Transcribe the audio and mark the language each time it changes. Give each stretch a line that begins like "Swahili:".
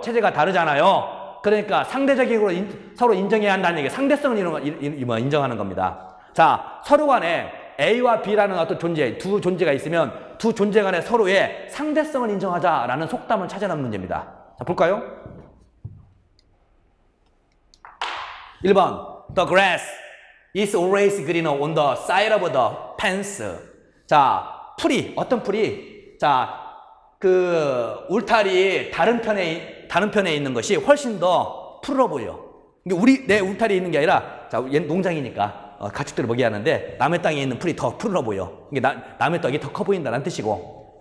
Korean: 체제가 다르잖아요. 그러니까 상대적으로 서로 인정해야 한다는 얘기, 상대성을 인정하는 겁니다. 자, 서로 간에 A와 B라는 어떤 존재, 두 존재가 있으면 두 존재 간에 서로의 상대성을 인정하자라는 속담을 찾아낸 문제입니다. 자, 볼까요? 1번,
English: The grass is always greener on the side of the fence.
Korean: 자, 풀이, 어떤 풀이? 자, 그 울타리 다른 편에 있는 것이 훨씬 더 푸르러 보여. 이게 우리 내 울타리에 있는 게 아니라 자, 농장이니까 가축들을 먹이하는데 남의 땅에 있는 풀이 더 푸르러 보여. 이게 남의 땅이 더 커 보인다는 뜻이고.